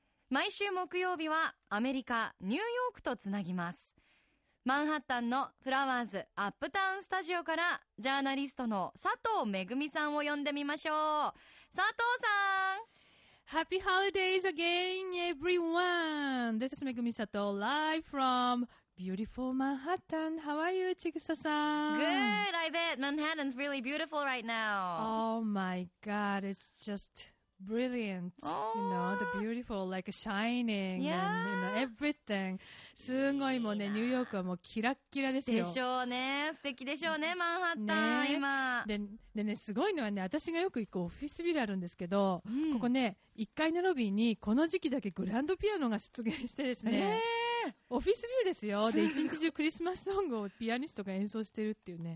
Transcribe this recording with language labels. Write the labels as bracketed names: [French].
[Japanese] 毎週木曜日はアメリカニューヨークとつなぎます。マンハッタンのフラワーズアップタウンスタジオからジャーナリストの佐藤めぐみさんを呼んでみましょう。佐藤さん、 [English] ハッピーホリデーズアゲインエブリワン。 This is めぐみ佐藤 live from beautiful Manhattan. How are you, ちぐささん？ Good, I bet Manhattan's really beautiful right now. Oh my god, it's justbrilliant, you know, the beautiful, like shining, and you know, everything. [Japanese] すごいもんね、ニューヨークはもうキラッキラですよ。でしょうね、素敵でしょうね、マンハッタン、ね、今。でね、すごいのはね、私がよく行くオフィスビルあるんですけど、うん、ここね、1階のロビーにこの時期だけグランドピアノが出現してですね。オフィスビルですよ。で、一日中クリスマスソングをピアニストが演奏してるっていうね。